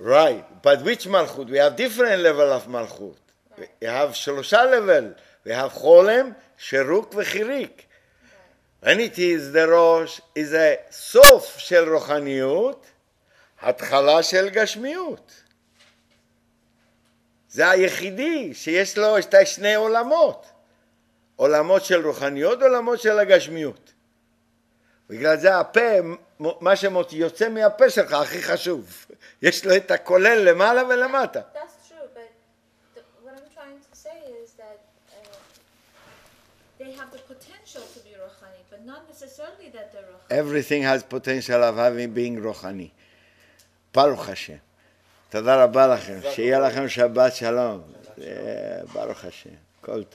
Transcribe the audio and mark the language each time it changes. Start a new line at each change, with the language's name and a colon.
English: Right, but which malchut? We have different level of malchut. We have shlosha level. We have cholem, sheruk, v'chirik. When it is the rosh, is a
Hebrew: sof shel ruchaniut, hatchala shel gashmiut. זה היחידי שיש לו את שני עולמות. עולמות של רוחניות, עולמות של הגשמיות. בגלל זה הפה, מה שיוצא מהפה שלך הכי חשוב. יש לו את הכולל למעלה ולמטה.
English: That's true, but what I'm trying to say is that they have the potential to be רוחני, but not necessarily that they're רוחני. Everything has potential of having being רוחני.
Hebrew: ברוך השם. תודה רבה לכם, שיהיה לכם שבת שלום, ברוך השם, כל טוב.